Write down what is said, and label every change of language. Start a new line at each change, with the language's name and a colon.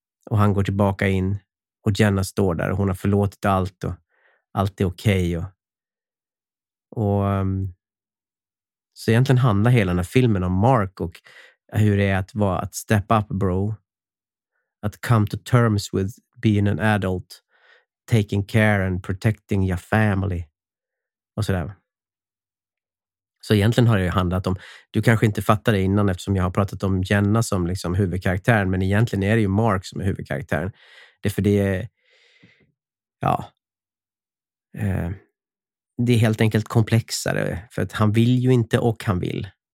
Swedish: Och han går tillbaka in och Jenna står där och hon har förlåtit allt och allt är okej. Och så egentligen handlar hela den här filmen om Mark och hur det är att vara, att
English: step up, bro.
Swedish: Att
English: come to terms with being an adult, taking care and protecting your family.
Swedish: Och sådär. Så egentligen har det ju handlat om, du kanske inte fattade det innan eftersom jag har pratat om Jenna som liksom huvudkaraktären, men egentligen är det ju Mark som är huvudkaraktären. Det är för det är, ja, det är helt enkelt komplexare, för att han vill ju inte och han vill.